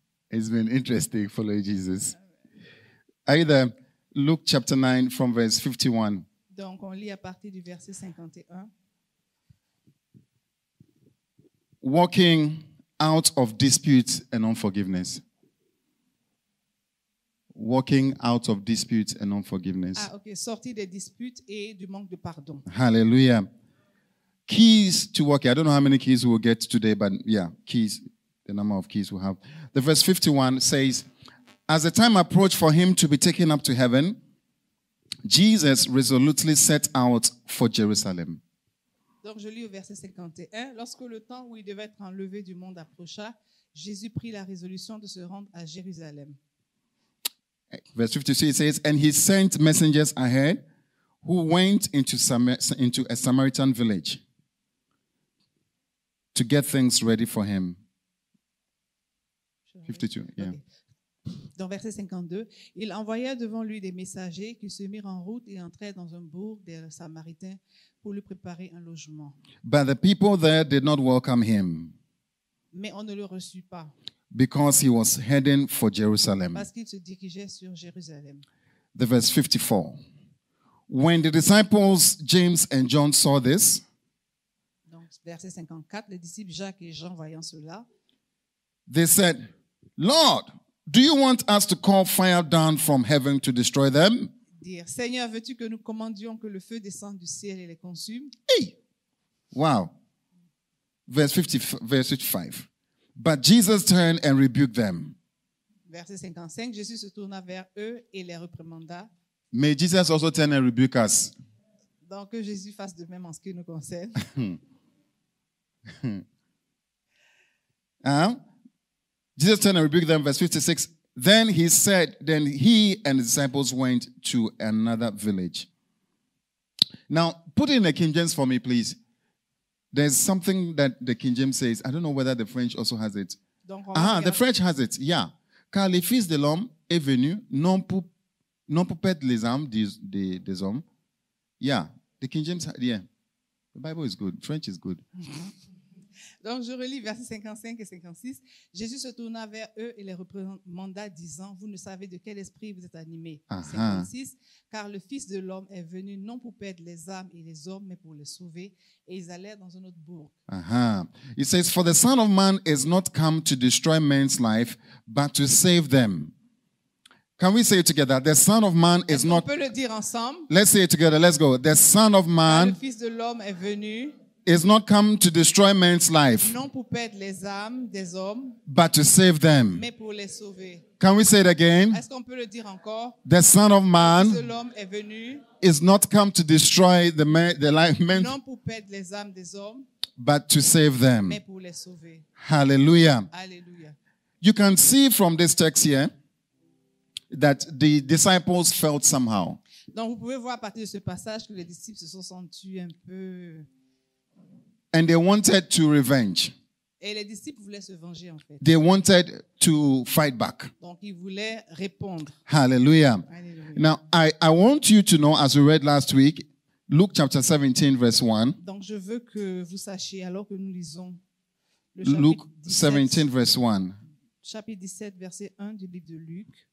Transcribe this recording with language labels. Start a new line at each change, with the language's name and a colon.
English: It's been interesting following Jesus. Either Luke chapter 9 from verse 51.
French: Donc on lit à partir du verset 51.
English: Walking out of disputes and unforgiveness. Walking out of disputes and unforgiveness. Ah, okay.
French: Sortir des disputes et du manque de pardon.
English: Hallelujah. Keys to walking. I don't know how many keys we'll get today, but yeah, keys. The number of keys we have. The verse 51 says, as the time approached for him to be taken up to heaven, Jesus resolutely set out for Jerusalem.
French: Donc je lis au verset 51. Lorsque le temps où il devait être enlevé du monde approcha, Jésus prit la résolution de se rendre à Jérusalem.
English: Verse 53 says, and he sent messengers ahead who went into a Samaritan village to get things ready for him. 52, yeah. Okay.
French: Dans verset 52, il envoya devant lui des messagers qui se mirent en route et entrèrent dans un bourg des Samaritains pour lui préparer un logement.
English: But the people there did not welcome him.
French: Mais on ne le reçut pas.
English: Because he was heading for Jerusalem.
French: Parce qu'il se dirigeait sur Jérusalem.
English: The verse 54. When the disciples James and John saw this,
French: donc verset 54, les disciples Jacques et Jean voyant cela,
English: they said, Lord, do you want us to call fire down from heaven to destroy them?
French: Dire, Seigneur, veux-tu que nous commandions que le feu descende du ciel et les consume?
English: Hey! Wow. Verse 55. But Jesus turned and rebuked them.
French: Verset 55, Jésus se tourna vers eux et les reprimanda.
English: May Jesus also turn and rebuke us.
French: Donc que Jésus fasse de même en ce qui nous concerne. Hein?
English: Jesus turned and rebuked them, verse 56. Then he and the disciples went to another village. Now, put in the King James for me, please. There's something that the King James says. I don't know whether the French also has it. The French has it, yeah.
French: Car les fils de l'homme est venu, non pour perdre les âmes des hommes.
English: Yeah, the King James, yeah. The Bible is good. French is good.
French: Donc, je relis versets 55 et 56. Jésus se tourna vers eux et les reprimanda, disant, vous ne savez de quel esprit vous êtes animés. Aha. 56, car le Fils de l'homme est venu non pour perdre les âmes et les hommes, mais pour les sauver. Et ils allèrent dans un autre bourg. Aha.
English: It says, for the Son of Man is not come to destroy men's life, but to save them. Can we say it together? The Son of Man is not...
French: On peut le dire ensemble.
English: Let's say it together. Let's go. The Son of Man...
French: Le Fils de l'homme est venu...
English: is not come to destroy men's life,
French: non pour perdre les âmes des hommes,
English: but to save them.
French: Mais pour les sauver.
English: Can we say it again?
French: Est-ce qu'on peut le dire encore?
English: The Son of Man
French: est venu,
English: is not come to destroy the men,
French: non pour perdre les âmes des hommes,
English: but to save them.
French: Mais pour les sauver.
English: Hallelujah. Hallelujah. You can see from this text here that the disciples felt somehow.
French: Donc vous pouvez voir à partir de ce passage que les disciples se sont sentis un peu.
English: And they wanted to revenge.
French: Et les disciples voulaient se venger, en fait.
English: They wanted to fight back.
French: Donc ils voulaient répondre.
English: Hallelujah. Hallelujah. Now I want you to know, as we read last week, Luke chapter 17 verse 1.
French: Donc je veux que vous sachiez alors que nous lisons le chapitre
English: Luke 17 verse 1.
French: Chapitre 17 verset 1 du livre de Luc.